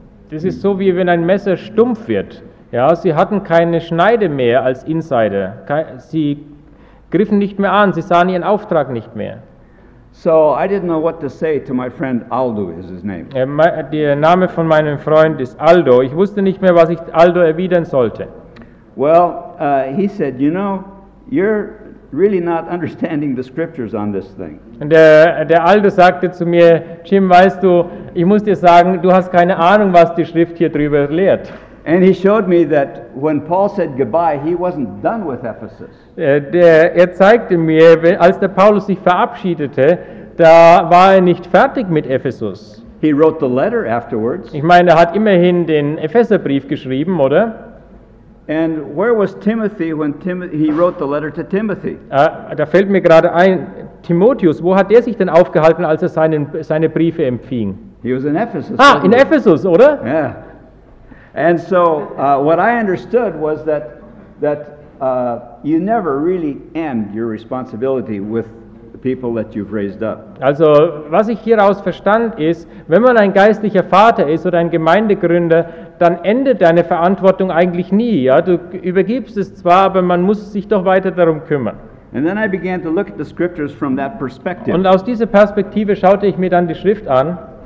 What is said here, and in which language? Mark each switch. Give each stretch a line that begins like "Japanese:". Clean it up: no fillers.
German: Das ist so, wie wenn ein Messer stumpf wird. Ja, sie hatten keine Schneide mehr als Insider. Sie griffen nicht mehr an, sie sahen ihren Auftrag nicht mehr.
English: So I didn't know what to say to my friend Aldo is his name.
German: Der Name von meinem Freund ist Aldo. Ich wusste nicht mehr, was ich Aldo erwidern sollte.
English: Well, he said, you know, you're really not understanding the scriptures on this thing.
German: Und der Aldo sagte zu mir, Jim, weißt du, ich muss dir sagen, du hast keine Ahnung, was die Schrift hier drüber lehrt.
English: And he showed me that when Paul said goodbye, he wasn't done with Ephesus.
German: Zeigte mir, als der Paulus sich verabschiedete, da war nicht fertig mit Ephesus.
English: He wrote the letter afterwards.
German: Ich meine, hat immerhin den Epheserbrief geschrieben, oder?
English: And where was Timothy when he wrote the letter to Timothy?
German: Da fällt mir gerade ein, Timotheus, wo hat sich denn aufgehalten, als seine Briefe empfing?
English: He was in Ephesus.
German: In Ephesus, oder?
English: Yeah. And so what I understood was that you never really end your responsibility with the people that you've raised up.
German: Also, was ich hieraus verstand ist, wenn man ein geistlicher Vater ist oder ein Gemeindegründer, dann endet deine Verantwortung eigentlich nie, ja? Du übergibst es zwar, aber man muss sich doch weiter darum kümmern.
English: And then I began to look at the scriptures from that perspective.
German: Und aus dieser Perspektive schaute ich mir dann die Schrift an.